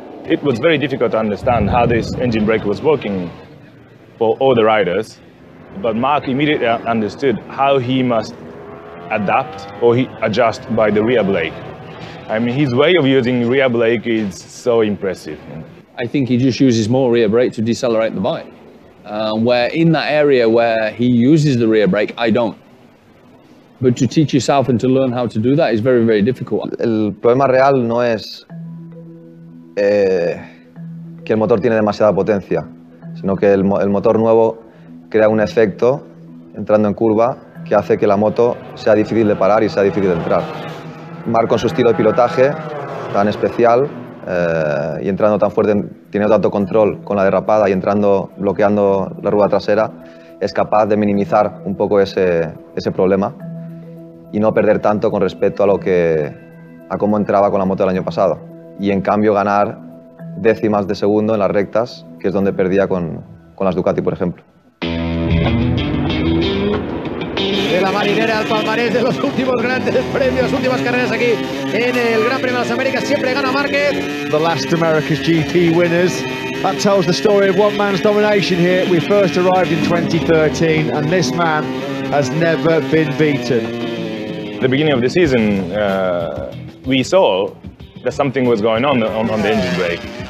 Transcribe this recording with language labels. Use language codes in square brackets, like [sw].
[en] It was very difficult to understand how this engine brake was working for all the riders, but Mark immediately understood how he must adapt or adjust by the rear brake. I mean, his way of using rear brake is so impressive. I think he just uses more rear brake to decelerate the bike. Where in that area where he uses the rear brake, I don't. But to teach yourself and to learn how to do that is very, very difficult. [es] El problema real no es que el motor tiene demasiada potencia, sino que el motor nuevo crea un efecto entrando en curva que hace que la moto sea difícil de parar y sea difícil de entrar. Marco, con su estilo de pilotaje tan especial y entrando tan fuerte, teniendo tanto control con la derrapada y entrando bloqueando la rueda trasera, es capaz de minimizar un poco ese problema y no perder tanto con respecto a cómo entraba con la moto el año pasado. Y en cambio ganar décimas de segundo en las rectas, que es donde perdía con las Ducati, por ejemplo. De la marinera al palmarés de los últimos grandes premios, últimas carreras aquí en el Gran Premio de las Américas, siempre gana Márquez. [en] The last America's GT winners. That tells the story of one man's domination here. We first arrived in 2013 and this man has never been beaten. The beginning of the season, we saw that something was going on the engine brake.